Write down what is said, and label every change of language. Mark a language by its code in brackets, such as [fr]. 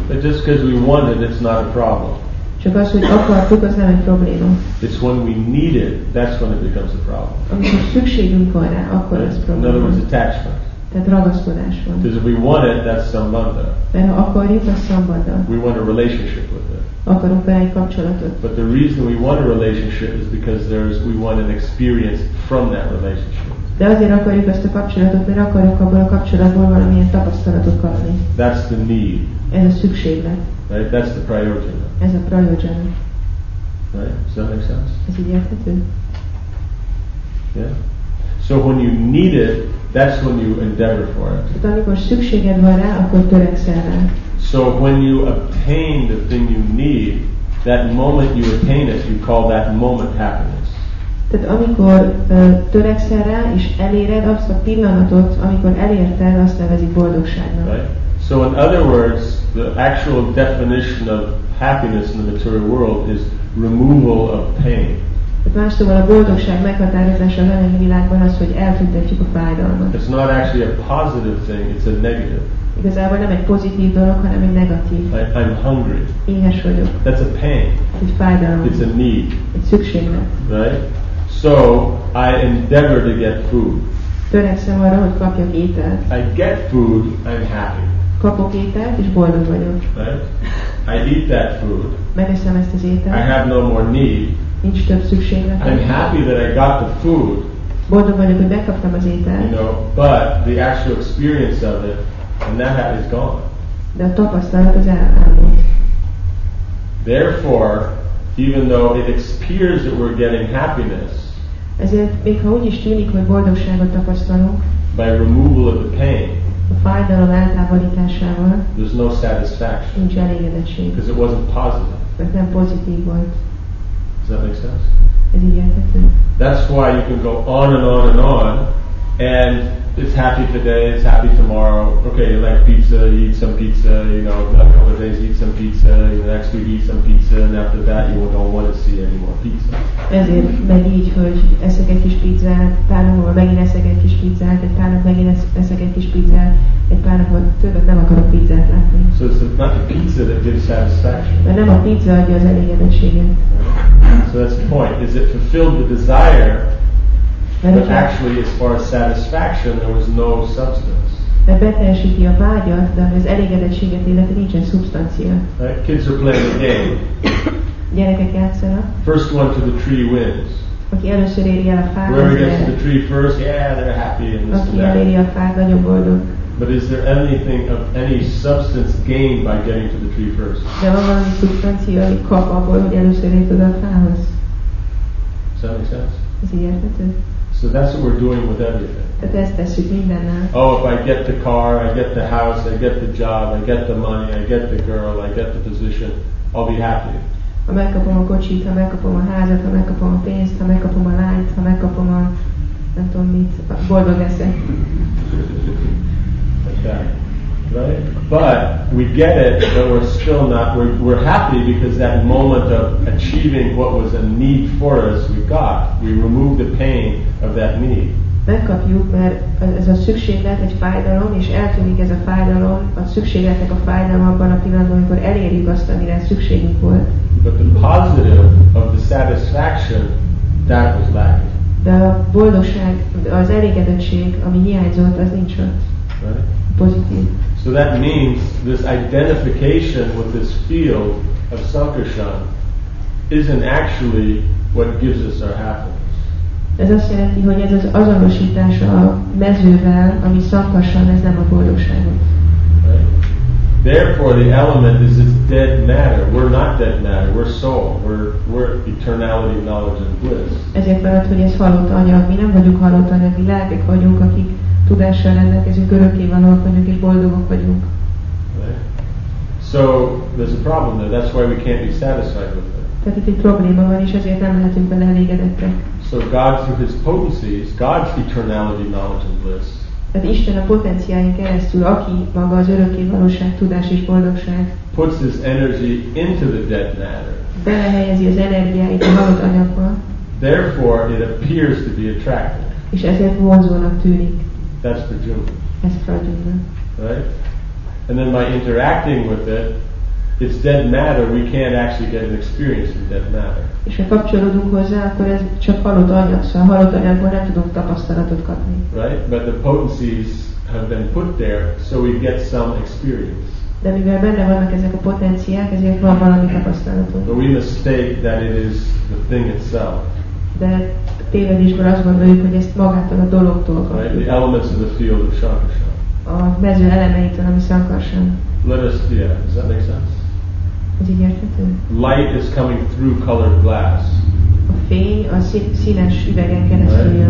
[en] But just because we want it, it's not a problem. [hu] Csak az, hogy akartuk, az nem egy probléma. [en] It's when we need it, that's when it becomes a problem. [hu] Amikor szükségünk van rá, akkor az probléma. [en] In other words, attachment. [hu] Tehát ragaszkodás van. [en] Because if we want it, that's sambandha. [hu] Mert ha akarjuk, az sambandha. [en] We want a relationship with it. [hu] Akarunk vele egy kapcsolatot. [en] But the reason we want a relationship is because we want an experience from that relationship. [hu] De azért akarjuk ezt a kapcsolatot, mert akarjuk abból a kapcsolatból valamilyen tapasztalatot kapni. [en] That's the need. [hu] Ez a szükséglet. [en] Right? That's the priority. [hu] Ez a priority. [en] Right? Does that make sense? [hu] Ez így érthető? [en] Yeah. So when you need it, that's when you endeavor for it. [hu] Tehát amikor szükséged van rá, akkor törekszel rá. [en] So when you obtain the thing you need, that moment you attain it, you call that moment happiness. [hu] Tehát amikor törekszel rá és eléred azt a pillanatot, amikor elérted, azt nevezik boldogságnak. [en] Right? So in other words, the actual definition of happiness in the material world is removal of pain. [hu] Más szóval a boldogság meghatározása a lelki világban az, hogy eltüntetjük a fájdalmat. [en] It's not actually a positive thing, it's a negative. [hu] Igazából nem egy pozitív dolog, hanem egy negatív. [en] I'm hungry. [hu] Éhes vagyok. [en] That's a pain. [hu] Egy fájdalom. [en] It's a need. [hu] Egy szükséglet. [en] Right? So I endeavor to get food. [hu] Törekszem arra, hogy kapjak ételt. [en] I get food, I'm happy. [hu] Kapok ételt és boldog vagyok. [en] Right? I eat that food. [hu] Megeszem ezt az ételt. [en] I have no more need. [hu] Nincs több szükséglet. [en] I'm happy that I got the food. [hu] Boldog vagyok, hogy megkaptam az ételt. [en] You know, but the actual experience of it, and that is gone. [hu] De a tapasztalat az elmúlt. [en] Therefore, even though it appears that we're getting happiness, [hu] ezért még ha úgy is tűnik, hogy boldogságot tapasztalunk, [en] by removal of the pain, [hu] a fájdalom eltávolításával, [en] there's no satisfaction. [hu] Nincs elégedettség. [en] Because it wasn't positive. [hu] Mert nem pozitív volt. [en] Does that make sense? That's why you can go on and on and on, and it's happy today, it's happy tomorrow. Okay, you like pizza, you eat some pizza, you know, a couple of days you eat some pizza, and the next week you eat some pizza, and after that you don't want to see any more pizza. [hu] Ezért meg így, hogy eszek egy kis pizzát, pár napon megint eszek egy kis pizzát, egy pár napon megint eszek egy kis pizzát, egy pár napon többet nem akarok pizzát látni. [en] So it's not the pizza that gives satisfaction. [hu] Mert nem a pizza adja az elégedettséget. [en] So that's the point. Is it fulfilled the desire? But actually, as far as satisfaction, there was no substance. [hu] De beteljesíti a vágyat, de az elégedettséget illeti nincsen szubstancia. [en] Kids are playing a game. [hu] Gyerekek játszanak. [en] First one to the tree wins. [hu] Aki először éri el a fát. [en] Whoever gets to the tree first, yeah, they're happy and this and that. [hu] Aki eléri a fát, nagyon boldog. [en] But is there anything of any substance gained by getting to the tree first? [hu] De van valami szubstancia, ami kap abból, hogy először ért oda a fához. [en] Does that make sense? [hu] Ez így érthető? [en] So that's what we're doing with everything. [hu] Tehát ezt tesszük mindennel. [en] Oh, if I get the car, I get the house, I get the job, I get the money, I get the girl, I get the position, I'll be happy. [hu] Ha megkapom a kocsit, ha megkapom a házat, ha megkapom a pénzt, ha megkapom a lányt, ha megkapom a... nem tudom mit, boldog leszek. [en] Okay. Right? But we get it, but we're still not, we're happy because that moment of achieving what was a need for us, we got. We removed the pain of that need. [hu] Megkapjuk, mert ez a szükséglet egy fájdalom, és eltűnik ez a fájdalom, a szükségletnek a fájdalom abban a pillanatban, amikor elérjük azt, amire szükségünk volt. [en] But the positive of the satisfaction, that was lacking. [hu] De a boldogság, az elégedettség, ami hiányzott, az nincs ott. [en] Right? [hu] Pozitív. [en] So that means this identification with this field of sankarsan isn't actually what gives us our happiness. [hu] Ez azt jelenti, hogy ez az azonosítás a mezővel, ami sankarsan, ez nem a boldogságot. [en] Right? Therefore the element is this dead matter. We're not dead matter, we're soul. We're eternality, knowledge and bliss. [hu] Ezért mellett, hogy ez halott anyag. Mi nem vagyunk halott anyag, mi lelkek vagyunk, akik tudással rendelkezünk, örökké valók vagyunk és boldogok vagyunk. [en] So there's a problem there. That's why we can't be satisfied with it. [hu] Tehát itt egy probléma van, és ezért nem lehetünk vele elégedettek. [en] So God through His potencies, God's eternality, knowledge and bliss. [hu] Tehát Isten a potenciáin keresztül, aki maga az örökké valóság, tudás és boldogság. [en] Puts His energy into the dead matter. [hu] Belehelyezi az energiáit a halott anyagba. [en] Therefore, it appears to be attractive. [hu] És ezért vonzónak tűnik. [en] That's the jhumma. [hu] Ez prajna. [en] Right? And then by interacting with it, it's dead matter. We can't actually get an experience in dead matter. [hu] És ha kapcsolódunk hozzá, akkor ez csak halott anyag, szóval halott anyagból nem tudunk tapasztalatot kapni. [en] Right? But the potencies have been put there, so we get some experience. [hu] De mivel benne vannak ezek a potenciák, ezért van valami tapasztalatunk. [en] But we mistake that it is the thing itself. [hu] De tévedésből azt gondoljuk, hogy ezt magától a dologtól kapjuk. [en] Right? The elements of the field of Shankarsha. [hu] A mező elemeitől, ami Shankarsan. [en] Let us, yeah, does that make sense? [hu] Ez így érthető? [en] Light is coming through colored glass. [hu] A fény a színes üvegen keresztül jön.